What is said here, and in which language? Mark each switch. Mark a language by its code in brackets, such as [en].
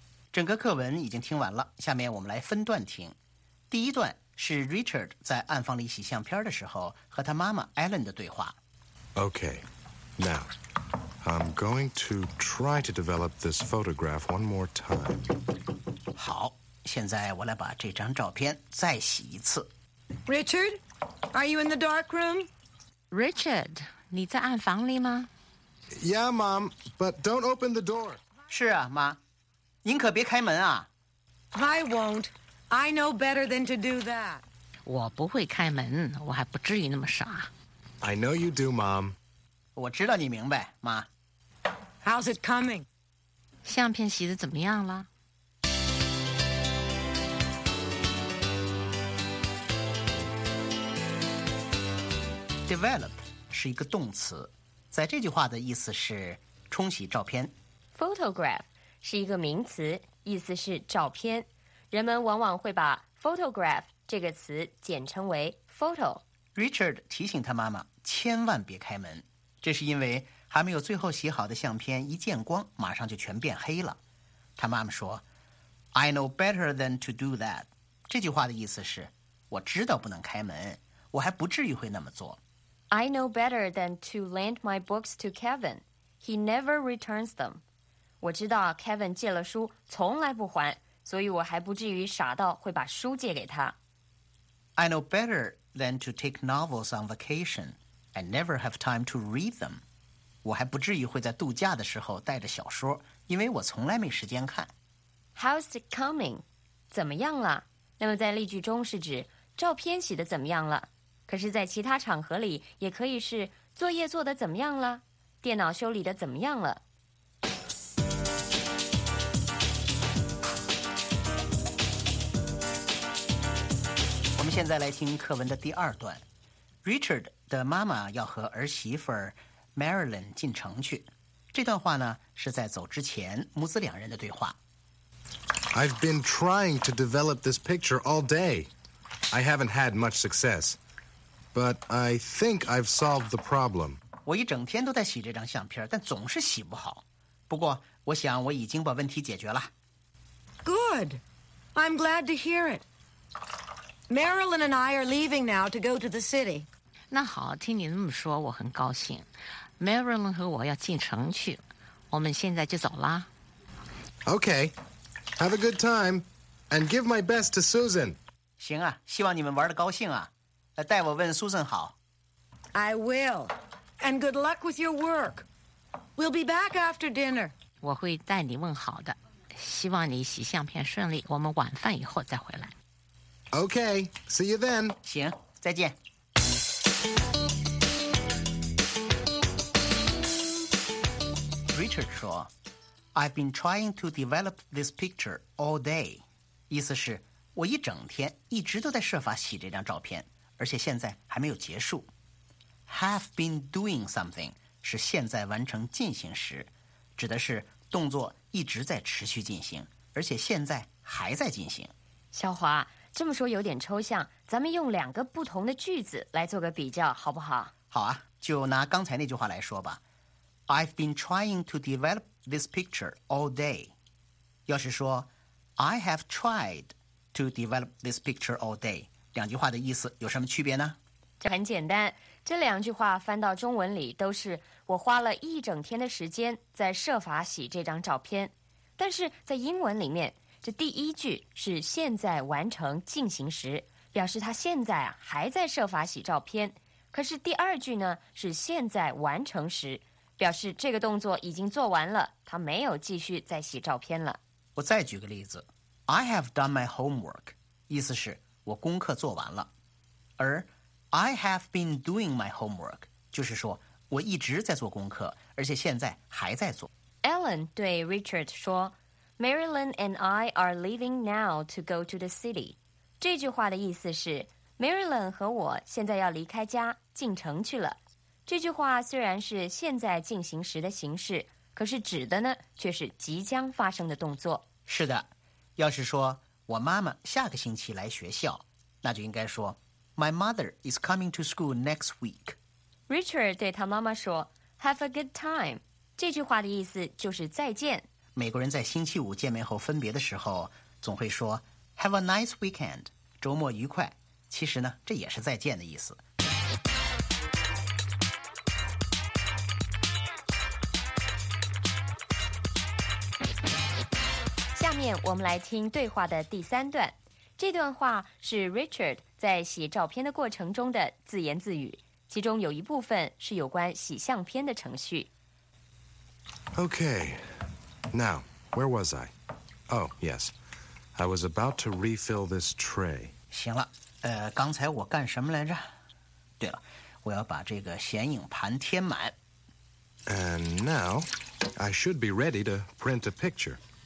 [zh] 整个课文已经听完了，下面我们来分段听。第一段是 Richard 在暗房里洗相片的时候和他妈妈 Ellen 的对话。 [en] Okay, now I'm going to try to develop this photograph one more time. [zh] 好，现在我来把这张照片再洗一次。 [en] Richard, are you in the dark room? [zh] Richard, 你在暗房里吗？ [en] Yeah, Mom, but don't open the door. [zh] 是啊，妈，您可别开门啊。 [en] I won't. I know better than to do that. [zh] 我不会开门，我还不至于那么傻。 [en] I know you do, Mom. [zh] 我知道你明白，妈。 [en] How's it coming? [zh] 相片洗得怎么样了？ Develop 是一个动词，在这句话的意思是冲洗照片。 Photograph 是一个名词，意思是照片。人们往往会把 photograph 这个词简称为 photo。 Richard 提醒他妈妈千万别开门，这是因为还没有最后洗好的相片一见光，马上就全变黑了。他妈妈说 ： [en] “I know better than to do that。” [zh] 这句话的意思是，我知道不能开门。我还不至于会那么做。 [en] I know better than to lend my books to Kevin. He never returns them. [zh] 我知道 Kevin 借了书从来不还，所以我还不至于傻到会把书借给他。 [en] I know better than to take novels on vacation. I never have time to read them. [zh] 我还不至于会在度假的时候带着小说，因为我从来没时间看。 How's it coming? 怎么样了？那么在例句中是指照片洗得怎么样了？可是在其他场合里也可以是作业做得怎么样了？电脑修理得怎么样了？我们现在来听课文的第二段。 Richard 的妈妈要和儿媳妇 Marilyn 进城去。这段话呢，是在走之前母子两人的对话。 [en] I've been trying to develop this picture all dayI haven't had much success, but I think I've solved the problem. [zh] 我一整天都在洗这张相片，但总是洗不好。不过，我想我已经把问题解决了。 [en] Good. I'm glad to hear it. Marilyn and I are leaving now to go to the city. [zh] 那好，听你这么说，我很高兴。Marilyn 和我要进城去，我们现在就走啦。 [en] Okay. Have a good time, and give my best to Susan. [zh] 行啊，希望你们玩得高兴啊。代我问苏珊好。 [en] I will. And good luck with your work. We'll be back after dinner. [zh] 我会代你问好的。希望你洗相片顺利，我们晚饭以后再回来。 [en] Okay, see you then. [zh] 行，再见。 [en] Richard 说 I've been trying to develop this picture all day. [zh] 意思是我一整天一直都在设法洗这张照片，而且现在还没有结束。 [en] Have been doing something [zh] 是现在完成进行时，指的是动作一直在持续进行，而且现在还在进行。小华，这么说有点抽象，咱们用两个不同的句子来做个比较，好不好？好啊，就拿刚才那句话来说吧。 [en] I've been trying to develop this picture all day. [zh] 要是说 [en] I have tried. To develop this picture all day. [zh] 两句话的意思有什么区别呢？这很简单，这两句话翻到中文里都是我花了一整天的时间在设法洗这张照片。但是在英文里面，这第一句是现在完成进行时，表示他现在啊还在设法洗照片。可是第二句呢是现在完成时，表示这个动作已经做完了，他没有继续再洗照片了。我再举个例子。 [en] I have done my homework, [zh] 意思是我功课做完了。而 [en] I have been doing my homework, [zh] 就是说我一直在做功课，而且现在还在做。 [en] Ellen 对 Richard 说 Marilyn and I are leaving now to go to the city. [zh] 这句话的意思是 Marilyn 和我现在要离开家进城去了。这句话虽然是现在进行时的形式，可是指的呢却是即将发生的动作。是的。要是说我妈妈下个星期来学校，那就应该说 [en] My mother is coming to school next week. [zh] Richard 对他妈妈说 [en] Have a good time. [zh] 这句话的意思就是再见。美国人在星期五见面后分别的时候总会说 [en] Have a nice weekend. [zh] 周末愉快。其实呢，这也是再见的意思。下面面我们来听对话的第三段。这段话是 Richard 在洗照片的过程中的自言自语，其中有一部分是有关洗相片的程序。 [en] Okay, now, where was I? Oh, yes, I was about to refill this tray. [zh] 行了，刚才我干什么来着？对了，我要把这个显影盘填满。 [en] And now, I should be ready to print a picture.